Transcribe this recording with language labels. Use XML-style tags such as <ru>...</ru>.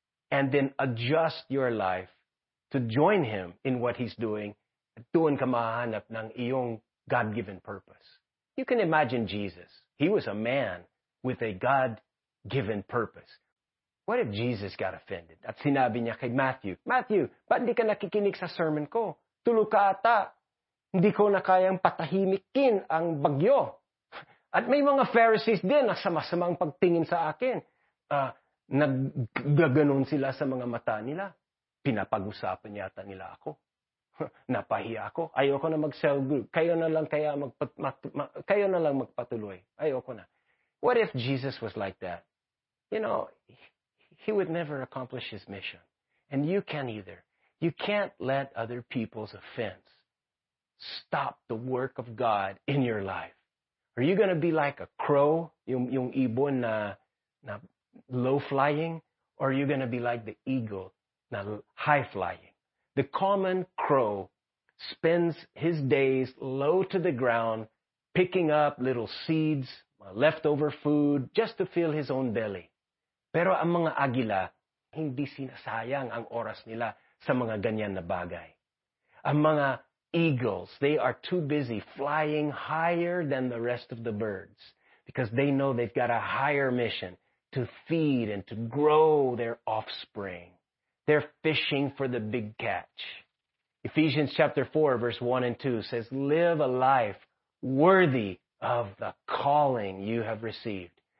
<en>And then adjust your life to join Him in what He's doing.</en> <tl>Doon ka mahanap ng iyong</tl> <en>God-given purpose. You can imagine Jesus. He was a man with a God-given purpose. What if Jesus got offended?</en> <tl>At sinabi niya kay Matthew, ba't hindi ka nakikinig sa sermon ko? Tulog ka ata. Hindi ko na kayang patahimikin ang bagyo. At may mga Pharisees din na sama-samang pagtingin sa akin. Nagganoon sila sa mga mata nila. Pinapag-usapan yata nila ako. Napahiya ako. Ayoko na mag-cell group. Kayo na lang magpatuloy. Ayoko na.</tl> <en>What if Jesus was like that? You know, He would never accomplish His mission. And you can't either. You can't let other people's offense stop the work of God in your life. Are you going to be like a crow,</en> <tl>yung ibon na</tl> <en>low-flying? Or are you going to be like the eagle na high-flying? The common crow spends his days low to the ground, picking up little seeds, leftover food, just to fill his own belly.</en> <tl>Pero ang mga agila, hindi sinasayang ang oras nila sa mga ganyan na bagay. Ang mga</tl> <en>eagles, they are too busy flying higher than the rest of the birds because they know they've got a higher mission to feed and to grow their offspring. They're fishing for the big catch. Ephesians chapter 4, verse 1 and 2 says, live a life worthy of the calling you have received.</en>